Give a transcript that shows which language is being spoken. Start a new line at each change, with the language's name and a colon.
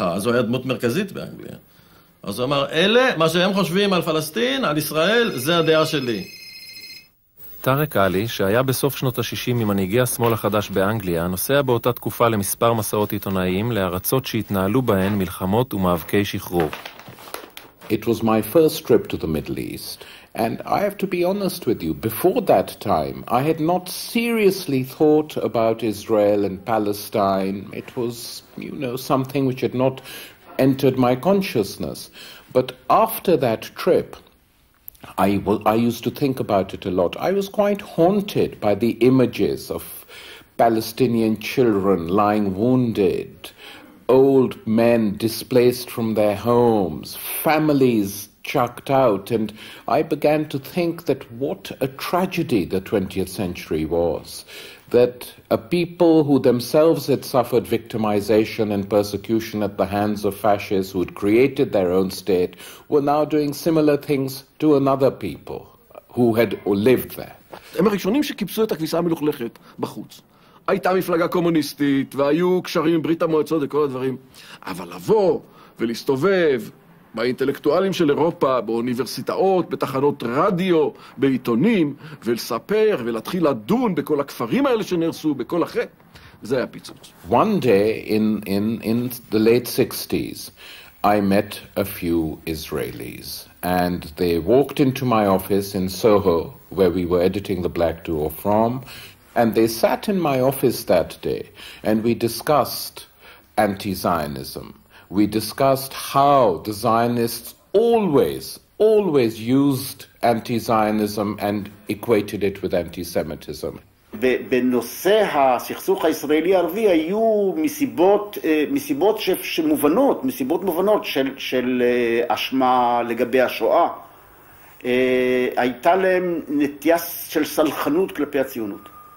Hebrew: אז הוא היה דמות מרכזית באנגליה. אז הוא אמר, אלה, מה שהם חושבים על פלסטין, על ישראל, זה הדעה שלי. טארק אלי, שהיה בסוף שנות ה-60 ממנהיגי השמאל החדש באנגליה, נוסע באותה תקופה למספר מסעות עיתונאיים לארצות שהתנהלו בהן מלחמות ומאבקי שחרור.
English: It was my first trip to the Middle East, and I have to be honest with you, before that time, I had not seriously thought about Israel and Palestine. It was, you know, something which had not entered my consciousness. But after that trip, I used to think about it a lot. I was quite haunted by the images of Palestinian children lying wounded, old men displaced from their homes, families chucked out, and I began to think that what a tragedy the 20th century was, that a people who themselves had suffered victimization and persecution at the hands of fascists who had created their own state were now doing similar things to another people who had lived there.
Hebrew: הם הראשונים שקיפשו את הכביסה המלוכלכת בחוץ. הייתה מפלגה קומוניסטית, והיו קשרים עם ברית המועצות וכל הדברים. אבל לבוא ולהסתובב באינטלקטואלים של אירופה, באוניברסיטאות, בתחנות רדיו, בעיתונים, ולספר ולהתחיל לדון בכל הכפרים האלה שנרסו, בכל אחרי, זה היה פיצוץ.
English: One day in the late 60s, I met a few Israelis, and they walked into my office in Soho, where we were editing the Black Duo from, and they sat in my office that day, and we discussed anti-Zionism. We discussed how the Zionists always, always used anti-Zionism and equated it with anti-Semitism.
Hebrew: בנושא הסכסוך הישראלי-ערבי היו מסיבות שמובנות, מסיבות מובנות של אשמה לגבי השואה. הייתה להם נטייה של סלחנות כלפי הציונות.